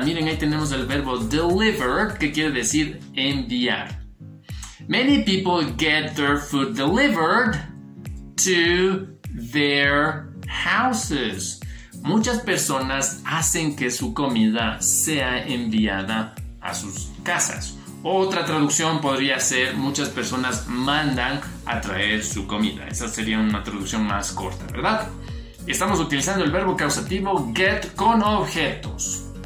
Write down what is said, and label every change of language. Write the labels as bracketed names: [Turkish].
[Spanish] Miren, ahí tenemos el verbo deliver, que quiere decir enviar. [English] Many people get their food delivered to their houses. [Spanish] Muchas personas hacen que su comida sea enviada a sus casas. Otra traducción podría ser muchas personas mandan a traer su comida. Esa sería una traducción más corta, ¿verdad? Estamos utilizando el verbo causativo get con objetos.